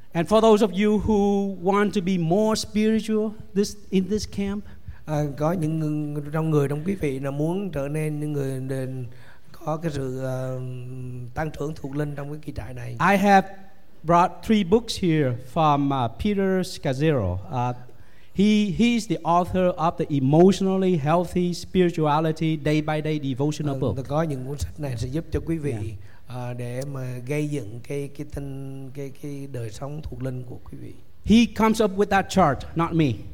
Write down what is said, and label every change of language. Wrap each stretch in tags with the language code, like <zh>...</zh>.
<en>And for those of you who want to be more spiritual in this camp,</en> <vi>có những trong người trong quý vị là muốn trở nên những người có cái sự tăng trưởng thuộc linh trong cái kỳ trại này.</vi> <en>I have brought three books here from Peter Scazzero. He's the author of the Emotionally Healthy Spirituality Day by Day Devotional Book.</en> <vi>Có những cuốn sách này sẽ giúp cho quý vị để mà gây dựng cái đời sống thuộc linh của quý vị.</vi> <en>He comes up with that chart, not me.</en>